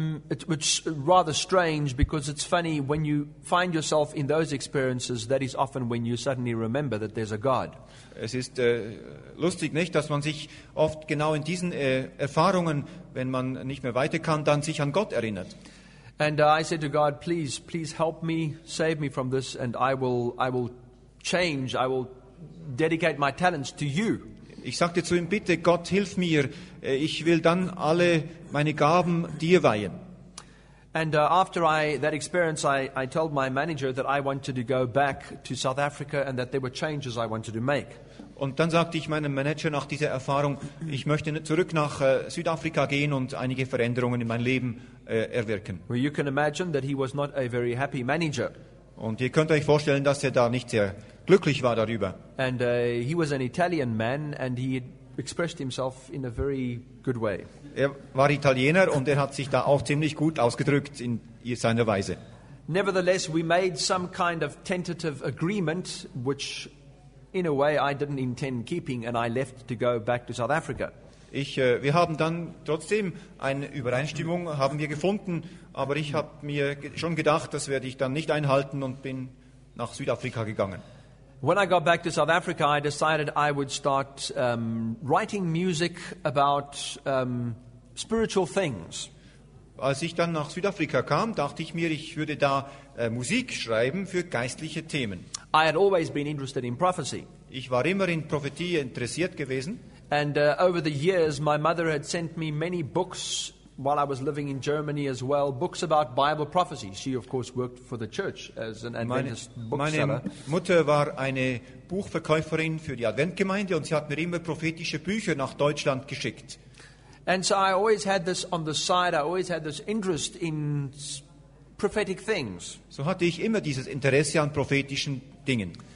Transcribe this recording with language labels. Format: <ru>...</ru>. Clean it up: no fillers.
<en>It's rather strange because it's funny when you find yourself in those experiences, that is often when you suddenly remember that there's a God.</en> <de>Es ist lustig, nicht, dass man sich oft genau in diesen Erfahrungen, wenn man nicht mehr weiter kann, dann sich an Gott erinnert.</de> <en>And I said to God, please, please help me, save me from this and I will change, I will dedicate my talents to you.</en> <de>Ich sagte zu ihm, bitte Gott, hilf mir, ich will dann alle meine Gaben dir weihen.</de> <en>And after that experience I told my manager that I wanted to go back to South Africa and that there were changes I wanted to make.</en> <de>Und dann sagte ich meinem Manager nach dieser Erfahrung, ich möchte zurück nach Südafrika gehen und einige Veränderungen in mein Leben erwirken.</de> <en>Well, you can imagine that he was not a very happy manager.</en> <de>Und ihr könnt euch vorstellen, dass er da nicht sehr glücklich war darüber.</de> <en>And he was an Italian man and he expressed himself in a very good way.</en> <de>Er war Italiener und er hat sich da auch ziemlich gut ausgedrückt in seiner Weise.</de> <en>Nevertheless, we made some kind of tentative agreement which in a way I didn't intend keeping and I left to go back to South Africa.</en> <de>Wir haben dann trotzdem eine Übereinstimmung haben wir gefunden, aber ich habe mir schon gedacht, das werde ich dann nicht einhalten und bin nach Südafrika gegangen.</de> <en>When I got back to South Africa, I decided I would start writing music about spiritual things.</en> <de>als ich dann nach Südafrika kam, dachte ich mir, ich würde da Musik schreiben für geistliche Themen.</de> <en>I had always been interested in prophecy.</en> <de>Ich war immer in Prophetie interessiert gewesen.</de> <en>And over the years, my mother had sent me many books while I was living in Germany as well, books about Bible prophecy. She, of course, worked for the church as an Adventist bookseller.</en> <de>Meine Mutter war eine Buchverkäuferin für die Adventgemeinde und sie hat mir immer prophetische Bücher nach Deutschland geschickt.</de> <en>And so I always had this on the side, I always had this interest in prophetic things.</en> <de>So hatte ich immer dieses Interesse an prophetischen Dingen.</de>